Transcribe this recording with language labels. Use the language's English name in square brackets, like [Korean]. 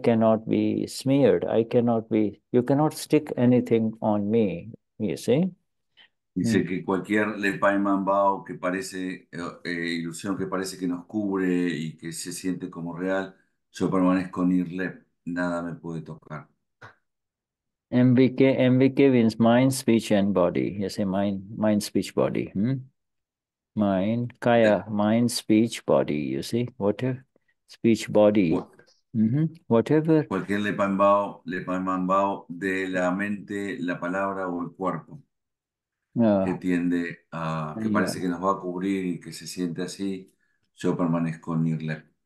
[English] I cannot be smeared. You cannot stick anything on me. You see. [Spanish] Dice que cualquier lepaiman bao que parece ilusión que parece que nos cubre y que se siente como real, yo permanezco nirlep. Nada me puede tocar. [English] MVK means mind, speech, and body. You say mind, speech, body. Mind, kaya, yeah. Mind, speech, body. You see, whatever, speech, body. Whatever. [Spanish] Cualquier lepaimambao de la mente, la palabra o el cuerpo. Que tiende a, que yeah. Parece que nos va a cubrir y que se siente así, yo permanezco en irle.